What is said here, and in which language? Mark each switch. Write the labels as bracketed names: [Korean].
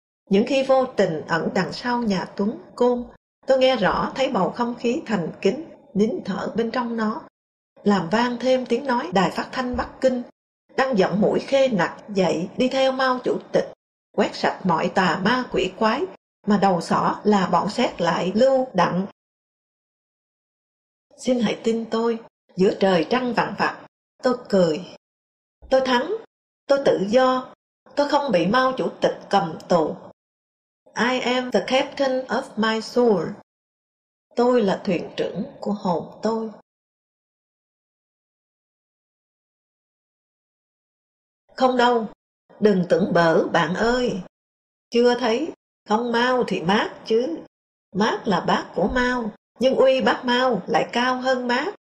[Vietnamese] Những khi vô tình ẩn đằng sau nhà Tuấn Côn, tôi nghe rõ thấy bầu không khí thành kính, nín thở bên trong nó, làm vang thêm tiếng nói đài phát thanh Bắc Kinh, đang giọng mũi khê nặc dậy đi theo Mao Chủ tịch, quét sạch mọi tà ma quỷ quái, mà đầu xỏ là bọn xét lại lưu đặng. Xin hãy tin tôi, giữa trời trăng vằn vặt, tôi cười. Tôi thắng, tôi tự do, tôi không bị Mao Chủ tịch cầm tù. [English] I am the captain of my soul. [Vietnamese] Tôi là thuyền trưởng của hồn tôi. Không đâu, đừng tưởng bở bạn ơi. Chưa thấy, không Mao thì Mác chứ. Mác là bác của Mao, nhưng uy bác Mao lại cao hơn Mác.